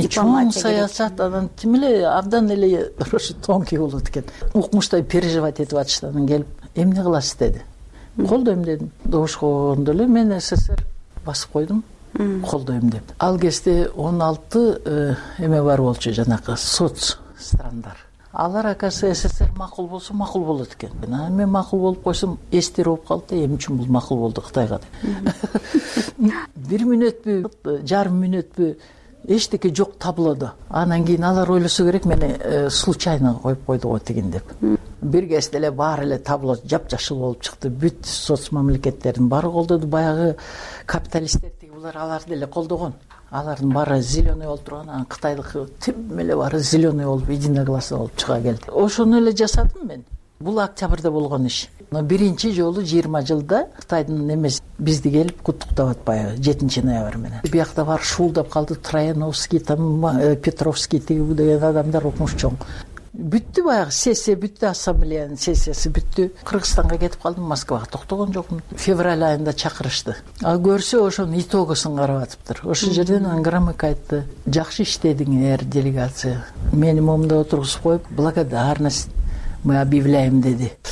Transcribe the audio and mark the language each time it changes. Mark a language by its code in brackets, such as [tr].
[ky] чоң саясат, анан тим эле абдан эле ошо тонкий болот экен. Укмуштай переживать этип атышты, анан келип эмне кыласыз деди. Колдойм дедим. Добуш койгондо эле мен СССР басып койдум. Колдойм деп. Ал кезде 16 эме бар болчу, жанакы соц страндар. Алар оказывается СССР макул болсо макул болот экен. Анан мен макул болуп койсом эстер болуп калды да, эми үчүн бул макул болду Кытайга деп. Бир мүнөтпү, жарым мүнөтпү эчтеке жок таблодо. Анан кийин алар ойлосо керек, мени случайно коюп койду го тигин деп. Бир кезде эле баары эле табло жапжашыл болуп чыкты. Бүт соц мамлекеттердин баары колдоду. Баягы капиталисттер тиги булар аларды эле колдогон. Алардын баары зеленый болуп турган, анан кытайлык тим эле баары зеленый болуп единогласно болуп чыга келди. Ошону эле жасадым мен. Бул октябрда болгон иш. Биринчи жолу 20 жылда Кытайдын эмес бизди келип куттуктап атпайбы 7 ноябрь менен. Биякта барып шуулдап калды Трояновский, там Петровский тиги деген адамдар укмуш чоң. Бүттү баягы сессия, бүттү ассамблеянын сессиясы бүттү. Кыргызстанга кетип калдым, Москвага токтогон жокмун. Февраль айында чакырышты. А көрсө ошонун итогусун карап атыптыр. Ошол жерден анан грамок айтты. Жакшы иштедиңер делегация. Мени момунда отургузуп коюп, [ru] благодарность мы объявляем [ky] деди.